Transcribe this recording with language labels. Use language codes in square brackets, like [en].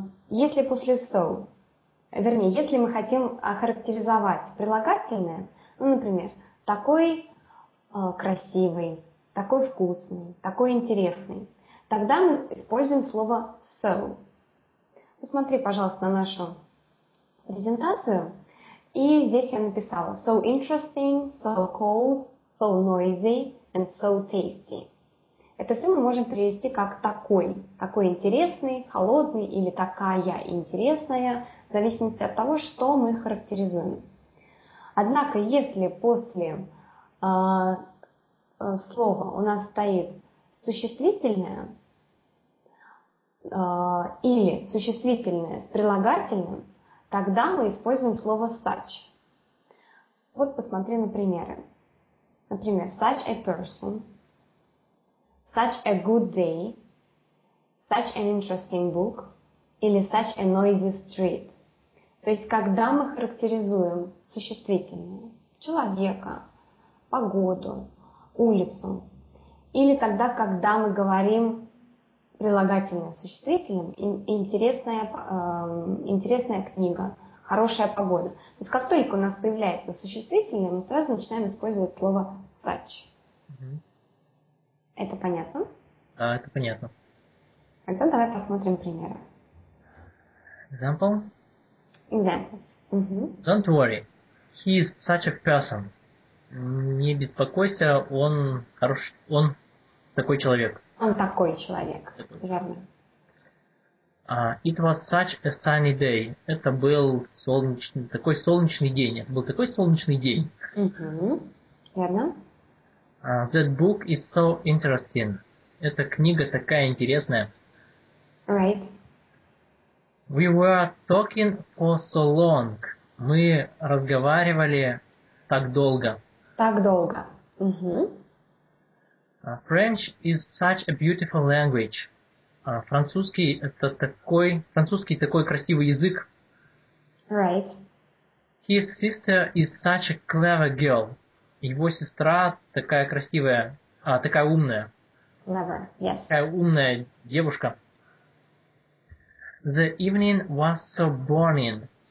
[ru] Если после «so», вернее, если мы хотим охарактеризовать прилагательное, ну, например, такой красивый, такой вкусный, такой интересный, тогда мы используем слово so. Посмотри, пожалуйста, на нашу презентацию. И здесь я написала [en] so interesting, so cold, so noisy and so tasty. [ru] Это все мы можем перевести как такой. Такой интересный, холодный или такая интересная, в зависимости от того, что мы характеризуем. Однако, если после слова у нас стоит существительное или существительное с прилагательным, тогда мы используем слово such. Вот посмотри на примеры. [en] Например, such a person, such a good day, such an interesting book или such a noisy street. [ru] То есть, когда мы характеризуем существительное, человека, погоду, улицу, или тогда, когда мы говорим прилагательное существительным, интересная книга, хорошая погода. То есть, как только у нас появляется существительное, мы сразу начинаем использовать слово such. Mm-hmm. Это понятно? Да, это понятно. Тогда давай посмотрим примеры. [en] Example? Example. Mm-hmm. Don't worry, he is such a person. [ru] Не беспокойся, он хороший, он такой человек. Он такой человек, верно. [en] It was such a sunny day. [ru] Это был такой солнечный день. Это был такой солнечный день. Mm-hmm. Верно. [en] That book is so interesting. [ru] Эта книга такая интересная. [en] Right. We were talking for so long. [ru] Мы разговаривали так долго. Так долго. Угу. [en] French is such a beautiful language. [ru] Французский такой красивый язык. [en] Right. His sister is such a clever girl. [ru] Его сестра такая красивая, такая умная. [en] Clever, yes. [ru] Такая умная девушка. [en] The evening was so boring.